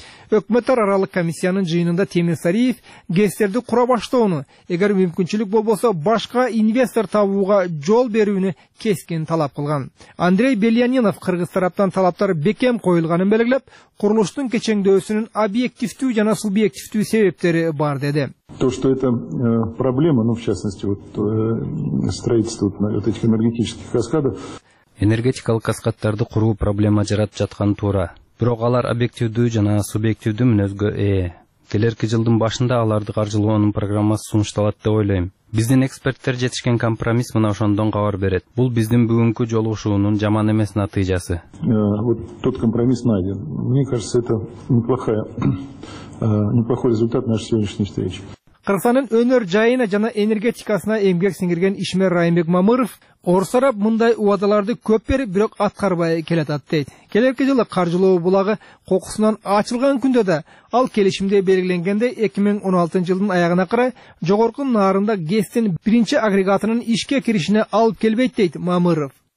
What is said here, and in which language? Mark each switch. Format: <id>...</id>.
<ky>Өкмөт аралык комиссиянын жыйынында Темир Сариев кесттерди кура баштоону, эгер мүмкүнчүлүк болбосо башка инвестор табууга жол берүүнү кескин талап кылган. Андрей Бельянинов кыргыз тараптан талаптар бекем коюлганын белгилеп, курулуштун кечеңдөөсүнүн объективдүү жана субъективдүү себептери бар деди.</ky> <ru>То, что это проблема, в частности, строительство вот этих энергетических каскадов.</ru> <ky>Энергетикалык каскадтарды куруу проблема жаратып жатканы туура. Бирок алар объективдүү жана субъективдүү мүнөзгө ээ. Келерки жылдын башында аларды каржылоонун программасы сунушталат деп ойлойм. Биздин эксперттер жетишкен компромисс мына ошондон кабар берет. Бул биздин бүгүнкү жолугушуунун жаман эмес натыйжасы.</ky> <ru>Вот тот компромисс найден. Мне кажется, это неплохой результат нашей сегодняшней встречи.</ru> <ky>Кыргызстандын өнөр жайына жана энергетикасына эмгек сиңирген ишмер Райымбек Мамыров орус тарап мындай убадаларды көп берип, бирок аткарбай келатат дейт. Келерки жылы каржылоо булагы кокусунан ачылган күндө да ал келишимде белгиленгендей 2016 жылдын аягына карай жогорку нарында ГЭСтин биринчи агрегатынын ишке киришине алып келбейт дейт Мамыров.</ky>